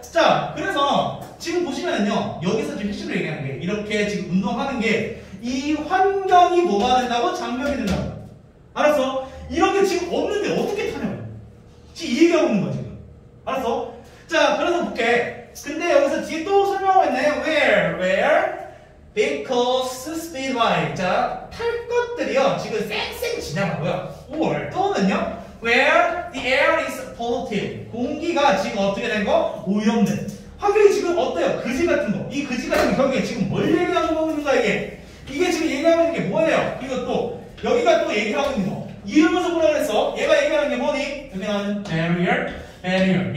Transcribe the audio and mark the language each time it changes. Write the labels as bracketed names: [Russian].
[Korean] 자, 그래서 지금 보시면은요, 여기서 지금 핵심으로 얘기하는 게, 이렇게 지금 운동하는 게, 이 환경이 뭐가 된다고? 장벽이 된다고. 알았어? 이런 게 지금 없는데 어떻게 타냐고. 지금 이 얘기하고 있는 거야, 지금. 알았어? 자, 그래서 볼게. 근데 여기서 뒤에 또 설명하고 있네. [English] Where? Because speedway. [Korean] 자, 탈 것들이요, 지금 쌩쌩 지나가고요. [English] Or, [Korean] 또는요, [English] where the air is polluted. [Korean] 공기가 지금 어떻게 된 거? 오염된. 환경이 지금 어때요? 그지 같은 거. 이 그지 같은 경우에 지금 뭘 얘기하는 겁니까, 이게? 이게 지금 얘기하고 있는 게 뭐예요? 이거 또, 여기가 또 얘기하고 있는 거. 이음에서 보라 그랬어. 얘가 얘기하는 게 뭐니? 여기 나오는 barrier, barrier.